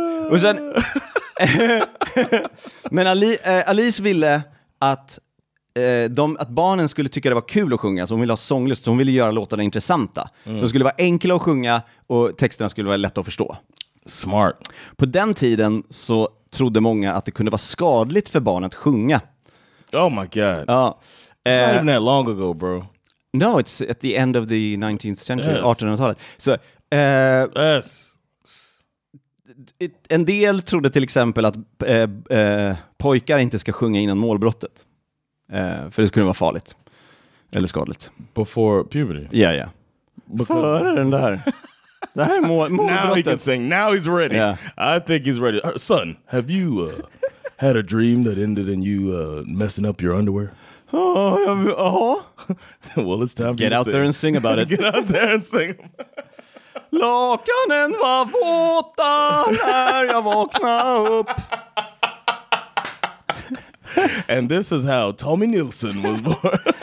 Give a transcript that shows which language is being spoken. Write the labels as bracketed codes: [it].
[sv] Och sen men Alice ville att att barnen skulle tycka det var kul att sjunga. Så hon ville ha sånglust, så hon ville göra låtarna intressanta. Så det skulle vara enkla att sjunga och texterna skulle vara lätta att förstå. Smart. På den tiden så trodde många att det kunde vara skadligt för barn att sjunga. [en] Oh my god. [sv] Ja. [en] It's not even that long ago, bro. No, it's at the end of the 19th century, yes. 1800-talet. So, yes. [sv] en del trodde till exempel att pojkar inte ska sjunga innan målbrottet. För det skulle vara farligt. Eller skadligt. [en] Before puberty? Ja, yeah, ja. Yeah. [sv] Före den där. Det här är målbrottet. [en] Now he can sing. Now he's ready. Yeah. I think he's ready. Son, have you had a dream that ended in you messing up your underwear? Well, it's time get for out there and sing about it. Get out there and sing. [sv] Lakanen var våta när jag vaknade upp. [en] And this is how Tommy Nielsen was born.